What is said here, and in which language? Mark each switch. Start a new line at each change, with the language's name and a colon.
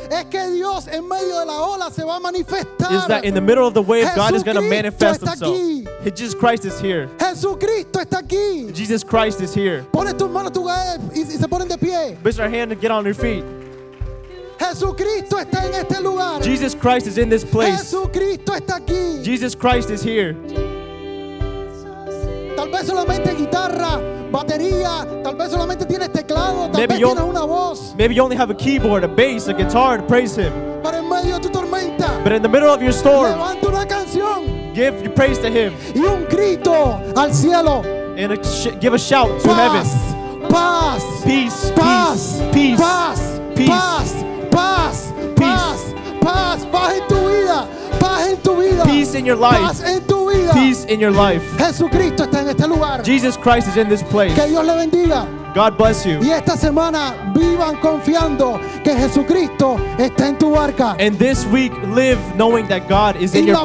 Spanish: Es que Dios en medio de la ola se va a manifestar.
English: Is that in the middle of the wave, God is going to manifest
Spanish: está
English: himself.
Spanish: Aquí.
English: Jesus Christ is here.
Spanish: Jesucristo está aquí.
English: Jesus Christ is here.
Spanish: Pone tu mano y se ponen de pie.
English: Raise your hand and get on your feet.
Spanish: Jesucristo está en este lugar.
English: Jesus Christ is in this place.
Spanish: Jesucristo está aquí.
English: Jesus Christ is here.
Spanish: Tal vez solamente guitarra, batería, tal vez solamente tienes teclado, tal vez tienes una voz.
English: Maybe you only have a keyboard, a bass, a guitar to praise him.
Spanish: Para en medio de tu tormenta.
English: But in the middle of your storm, give your praise to Him.
Spanish: Y un grito al cielo.
English: And give a shout to
Spanish: paz,
English: heaven.
Spanish: Paz,
English: peace,
Spanish: paz,
English: peace,
Spanish: paz,
English: peace,
Spanish: paz, paz, paz, paz, paz en tu vida. Paz en tu vida.
English: Peace in your life.
Spanish: Paz en tu vida.
English: Peace in your life.
Spanish: Jesucristo está en este lugar.
English: Jesus Christ is in this place.
Spanish: Que Dios le bendiga.
English: God bless you.
Spanish: Y esta semana vivan confiando que Jesucristo está en tu barca.
English: And this week live knowing that God is in your boat.